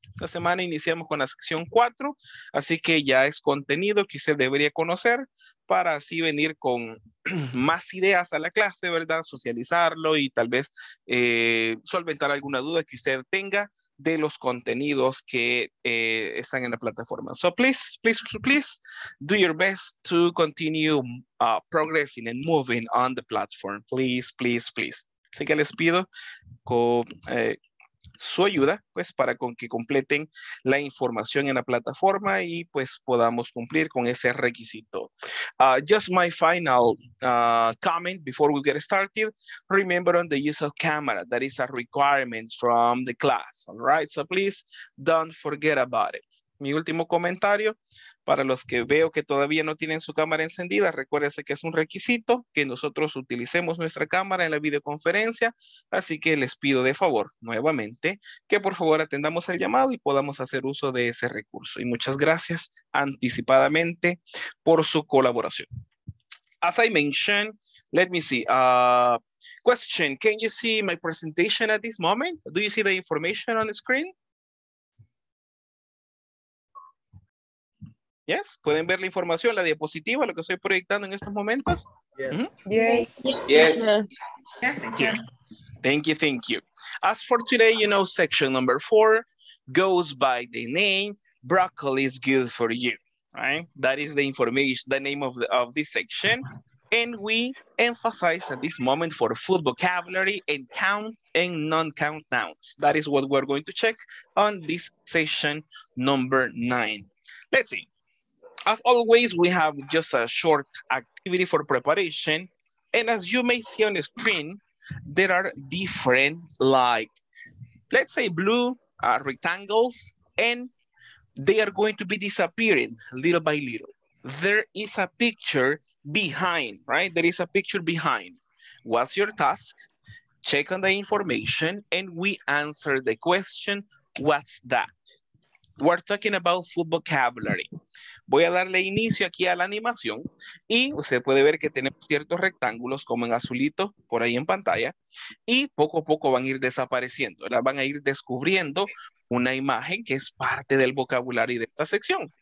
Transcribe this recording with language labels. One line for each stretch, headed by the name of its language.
Spanish: Esta semana iniciamos con la sección 4, así que ya es contenido que usted debería conocer para así venir con más ideas a la clase, ¿verdad? Socializarlo y tal vez solventar alguna duda que usted tenga de los contenidos que están en la plataforma.
English: So please do your best to continue progressing and moving on the platform. Please.
Spanish: Así que les pido su ayuda, pues, para con que completen la información en la plataforma y pues podamos cumplir con ese requisito.
English: Just my final comment before we get started. Remember on the use of camera. That is a requirement from the class. All right, so please don't forget about it.
Spanish: Mi último comentario, para los que veo que todavía no tienen su cámara encendida, recuérdense que es un requisito que nosotros utilicemos nuestra cámara en la videoconferencia, así que les pido de favor, nuevamente, que por favor atendamos el llamado y podamos hacer uso de ese recurso. Y muchas gracias anticipadamente por su colaboración.
English: As I mentioned, let me see. Question, can you see my presentation at this moment? Do you see the information on the screen?
Spanish: Yes, ¿pueden ver la información, la diapositiva, lo que estoy proyectando en estos momentos?
English: Yes. Mm-hmm. Yes. Yes. Thank you. As for today, you know, section number 4 goes by the name, broccoli is good for you, right? That is the information, the name of this section. And we emphasize at this moment for food vocabulary and count and non-count nouns. That is what we're going to check on this session number 9. Let's see. As always, we have just a short activity for preparation. And as you may see on the screen, that are different, like, let's say blue rectangles, and they are going to be disappearing little by little. There is a picture behind, right? There is a picture behind. What's your task? Check on the information, and we answer the question, what's that? We're talking about food vocabulary.
Spanish: Voy a darle inicio aquí a la animación y usted puede ver que tenemos ciertos rectángulos como en azulito por ahí en pantalla y poco a poco van a ir desapareciendo. ¿Verdad? Van a ir descubriendo una imagen que es parte del vocabulario de esta sección.